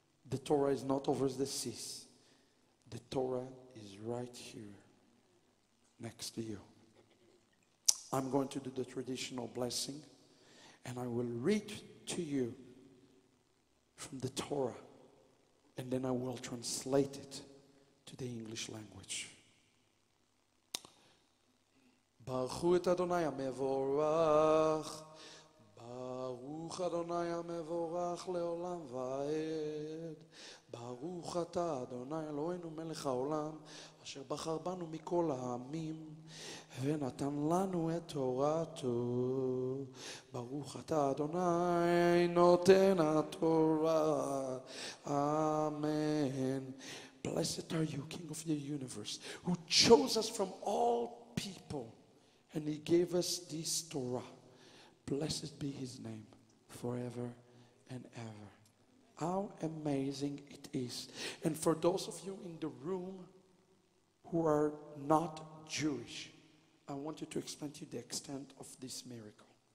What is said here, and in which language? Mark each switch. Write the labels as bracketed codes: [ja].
[en] The Torah is not over the seas. The Torah is right here next to you. I'm going to do the traditional blessing, and I will read to you from the Torah, and then I will translate it to the English language. [he] ברכו את אדוני המבורך, ברוך אדוני המבורך לעולם ועד, ברוך אתה אדוני אלוהינו מלך העולם, אשר בחר בנו מכל העמים, ונתן לנו את תורתו. ברוך אתה אדוני נותן התורה, אמן. [en] Blessed are you, King of the universe, who chose us from all people, and he gave us this Torah. Blessed be his name forever and ever. How amazing it is. And for those of you in the room who are not Jewish, I wanted to explain to you the extent of this miracle.